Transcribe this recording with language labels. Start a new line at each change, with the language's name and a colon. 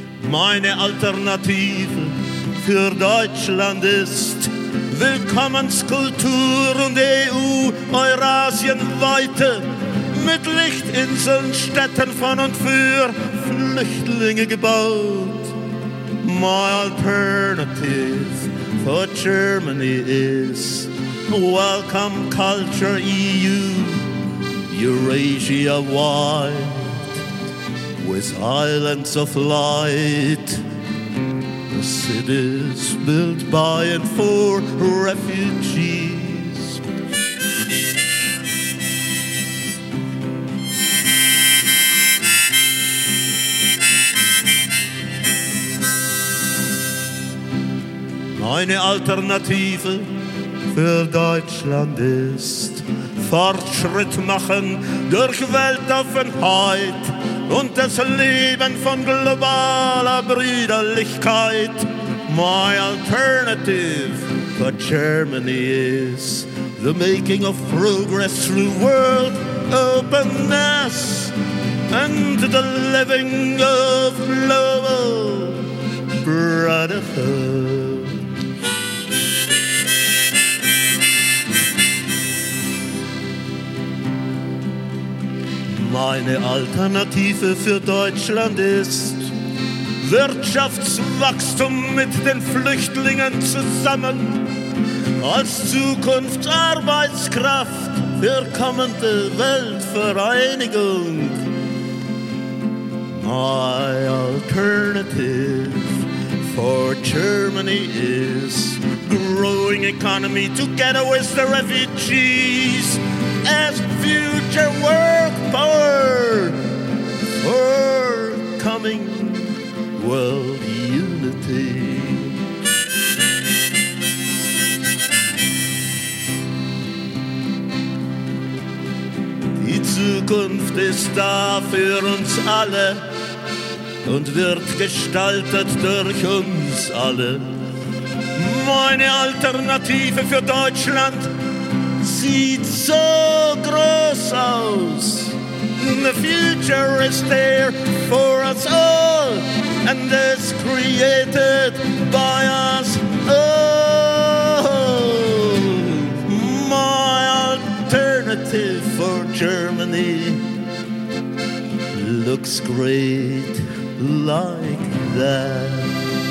German: Meine Alternative für Deutschland ist Willkommenskultur und EU, Eurasienweite, mit Lichtinseln, Städten von und für Flüchtlinge gebaut.
English: My alternative for Germany is welcome culture EU, Eurasia wide, with islands of light, the cities built by and for refugees.
German: Meine Alternative für Deutschland ist Fortschritt machen durch Weltoffenheit und das Leben von globaler Brüderlichkeit.
English: My alternative for Germany is the making of progress through world openness and the living of global brotherhood.
German: Meine Alternative für Deutschland ist Wirtschaftswachstum mit den Flüchtlingen zusammen als Zukunft Arbeitskraft für kommende Weltvereinigung.
English: My alternative for Germany is growing economy together with the refugees as future world power for coming world unity.
German: Die Zukunft ist da für uns alle und wird gestaltet durch uns alle. Meine Alternative für Deutschland sieht so groß aus.
English: The future is there for us all and is created by us all. My alternative for Germany looks great like that.